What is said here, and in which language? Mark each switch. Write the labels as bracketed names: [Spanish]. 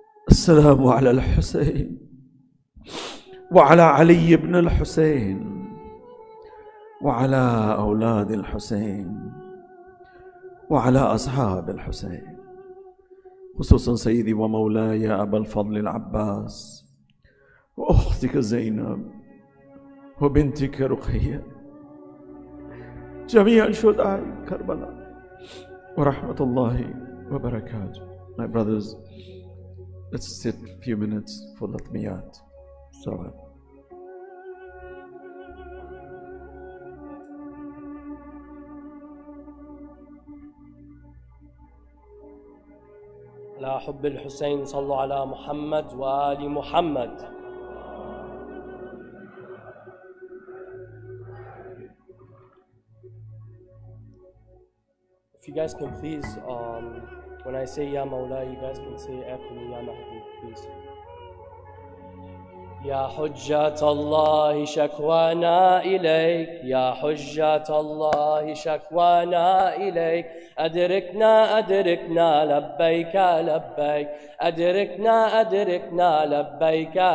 [Arabic] السلام على الحسين وعلى علي بن الحسين وعلى أولاد الحسين وعلى أصحاب الحسين خصوصا سيدي ومولاي أبا الفضل العباس وأختك زينب وبنتك رقية جميع شهداء كربلاء ورحمة الله وبركاته. [English] My brothers, let's sit a few minutes for latmiyat. [Arabic] Salam. لا حب الحسين صلوا على محمد وآل محمد. [English] If you guys can please, when I say Ya Mawla, you guys can say after me Ya Mahdi, please. [Arabic] يا حجة الله شكوانا إليك يا حجة الله شكوانا إليك أدركنا أدركنا لبيك لبيك أدركنا أدركنا لبيك